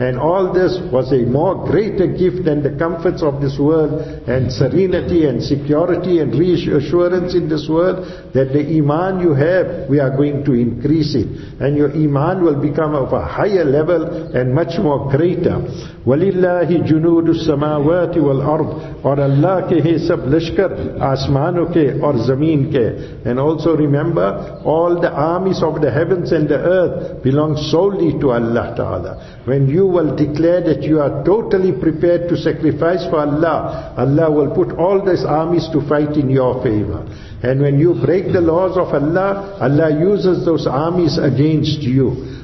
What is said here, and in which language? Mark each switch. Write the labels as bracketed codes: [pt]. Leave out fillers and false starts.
[en] And all this was a more greater gift than the comforts of this world and serenity and security and reassurance in this world, that the iman you have, we are going to increase it. And your iman will become of a higher level and much more greater. [ar] وَلِلَّهِ جُنُودُ السَّمَاوَاتِ وَالْأَرْضِ [ur] اور اللہ کے ہیں سب لشکر آسمانوں کے اور زمین کے. [en] And also remember, all the armies of the heavens and the earth belong solely to Allah Ta'ala. When you will declare that you are totally prepared to sacrifice for Allah, Allah will put all these armies to fight in your favor. And when you break the laws of Allah, Allah uses those armies against you.